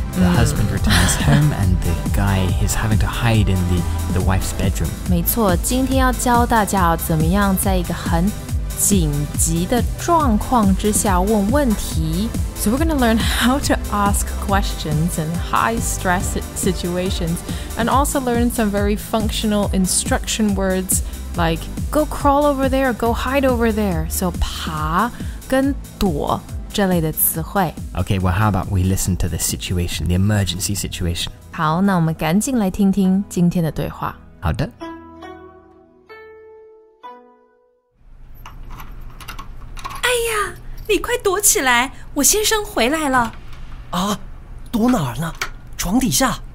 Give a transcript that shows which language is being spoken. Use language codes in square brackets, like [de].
[en] The husband returns home and the guy is having to hide in the wife's bedroom. [zh] 没错，今天要教大家怎么样在一个很紧急的状况之下问问题。 [en] So we're going to learn how to ask questions in high-stress situations and also learn some very functional instruction words like... Go crawl over there, go hide over there. [zh] So, 爬跟躲这类的词汇。 [en] Okay, well, how about we listen to the situation, the emergency situation? [zh] 好，那我们赶紧来听听今天的对话。好的。哎呀，你快躲起来，我先生回来了。啊，躲哪儿呢？床底下。